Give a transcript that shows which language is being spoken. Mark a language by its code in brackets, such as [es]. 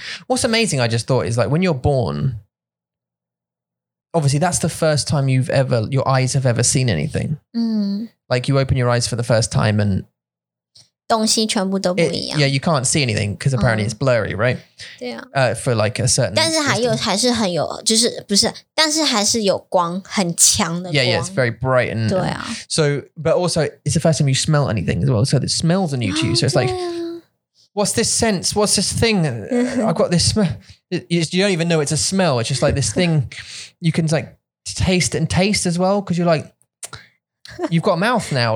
[en] What's amazing, I just thought, is like when you're born, obviously that's the first time you've ever, your eyes have ever seen anything. Like you open your eyes for the first time and [zh] 东西全部都不一样。 [en] Yeah, you can't see anything because apparently it's blurry, right? Yeah. For like a certain [zh] 但是还有还是很有, 就是不是, 但是还是有光, 很强的光。 [en] Yeah, yeah, it's very bright. And, [zh] 对啊。 [en] So, but also, it's the first time you smell anything as well. So the smells are new to you. So it's like, what's this sense? What's this thing? I've got this smell. You don't even know it's a smell. It's just like this thing you can like taste and taste as well because you're like, you've got a mouth now.